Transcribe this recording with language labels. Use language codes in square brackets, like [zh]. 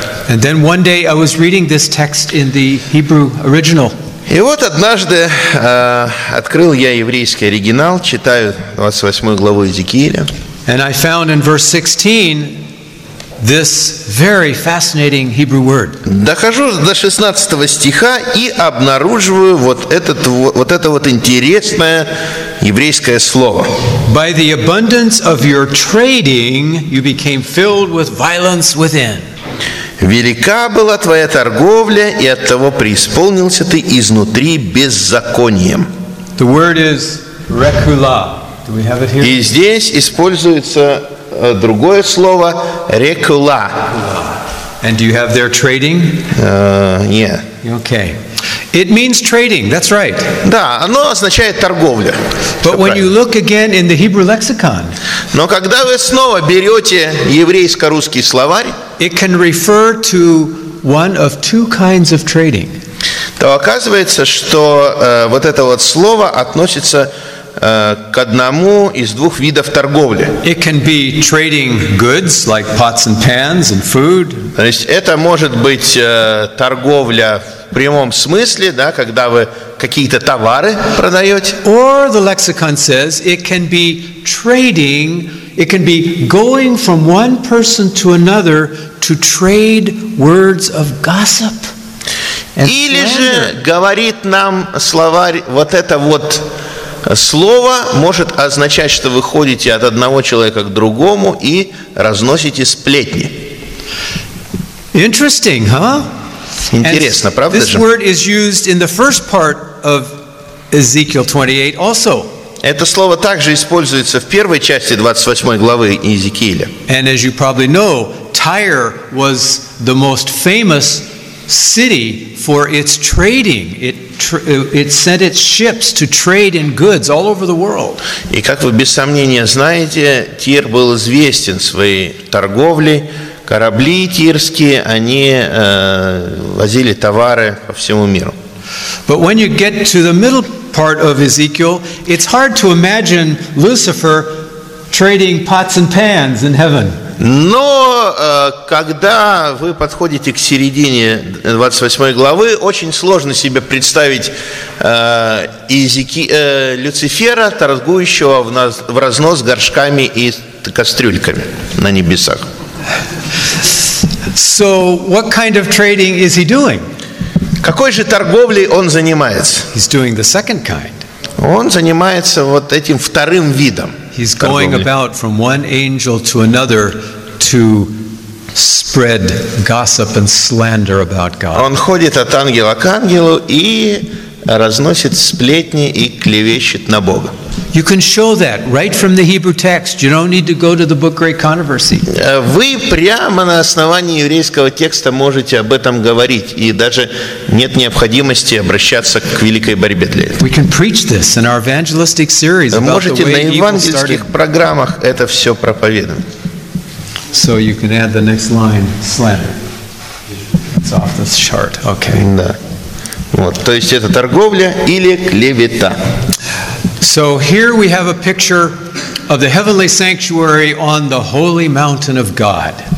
[en] And then one day I was reading this text in the Hebrew original. [ru] И вот однажды открыл я еврейский оригинал, читаю 28 главу Иезекииля. [en] And I found in verse 16 this very fascinating Hebrew word. [ru] Дохожу до 16 стиха и обнаруживаю вот это интересное еврейское слово. [en] By the abundance of your trading, you became filled with violence within. [ru] Велика была твоя торговля, и оттого преисполнился ты изнутри беззаконием. [en] The word is rekula. Do we have it here? [ru] И здесь используется другое слово рекула. [en] And do you have there trading? Yeah. Okay. It means trading. That's right. [ru] Да, оно означает торговля. [en] But when you look again in the Hebrew lexicon, [ru] но когда вы снова берете еврейско-русский словарь, [en] it can refer to one of two kinds of trading. [ru] То оказывается, что вот это вот слово относится к одному из двух видов торговли. [en] It can be trading goods like pots and pans and food. [ru] То есть это может быть торговля в прямом смысле, да, когда вы какие-то товары продаете. [en] Or the lexicon says it can be trading. It can be going from one person to another to trade words of gossip. [ru] Или же говорит нам словарь, вот это вот слово может означать, что вы ходите от одного человека к другому и разносите сплетни. [en] Interesting, huh? [ru] Интересно, правда же? [en] This word is used in the first part of Ezekiel 28 also. [ru] Это слово также используется в первой части 28 главы Иезекииля. [en] And as you probably know, Tyre was the most famous city for its trading. It sent its ships to trade in goods all over the world. [ru] И как вы без сомнения знаете, Тир был известен своей торговлей. Корабли тирские, они возили товары по всему миру. [en] But when you get to the middle part of Ezekiel, it's hard to imagine Lucifer trading pots and pans in heaven. [ru] Но когда вы подходите к середине 28 главы, очень сложно себе представить Люцифера, торгующего в разнос горшками и кастрюльками на небесах. [en] So, what kind of trading is he doing? [ru] Какой же торговлей он занимается? [en] He's doing the second kind. [ru] Он занимается вот этим вторым видом. [en] He's going about from one angel to another to spread gossip and slander about God. [ru] Он ходит от ангела к ангелу и разносит сплетни и клевещет на Бога. [en] You can show that right from the Hebrew text. You don't need to go to the book Great Controversy. [ru] Вы прямо на основании еврейского текста можете об этом говорить, и даже нет необходимости обращаться к Великой борьбе для этого. [en] We can preach this in our evangelistic series. [ru] Вы можете на евангельских программах это все проповедовать. [en] So you can add the next line, slander. It's off the chart. Okay. [ru] Да. Вот, то есть это торговля или клевета. [en] So here we have a picture of the heavenly sanctuary on the holy mountain of God.